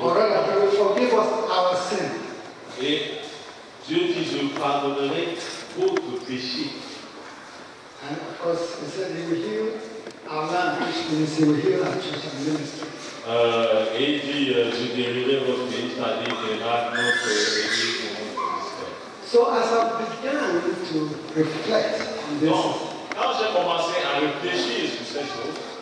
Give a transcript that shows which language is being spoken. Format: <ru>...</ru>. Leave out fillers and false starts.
<en>or rather, He will forgive us our sin.</en> <fr>Et Dieu dit, je pardonnerai votre péché.</fr> <en>And of course, He said, He will heal our land, which means He will heal our church and ministry.</en> <fr>Et dit, je guérirai votre pays, c'est-à-dire que notre église.</fr> <en>So as I began to reflect on this,</en> <fr>donc, quand j'ai commencé à réfléchir sur ces choses,</fr>